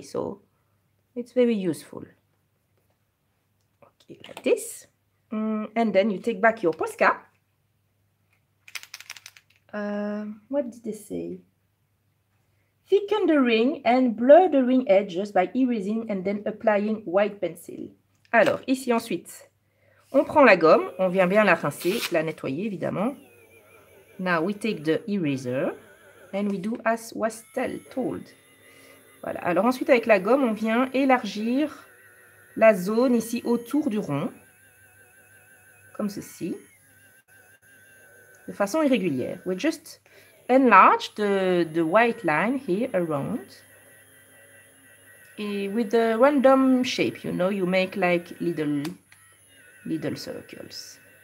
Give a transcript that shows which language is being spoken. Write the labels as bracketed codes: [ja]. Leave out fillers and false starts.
[en] So, it's very useful. Okay, like this. And then you take back your Posca. What did they say? Thicken the ring and blur the ring edges by erasing and then applying white pencil. [fr] Alors, ici ensuite... On prend la gomme, on vient bien la rincer, la nettoyer évidemment. [en] Now we take the eraser and we do as was told. [fr] Voilà, alors ensuite avec la gomme, on vient élargir la zone ici autour du rond. Comme ceci. De façon irrégulière. [en] We just enlarge the white line here around. And with a random shape, you know, you make like little circles.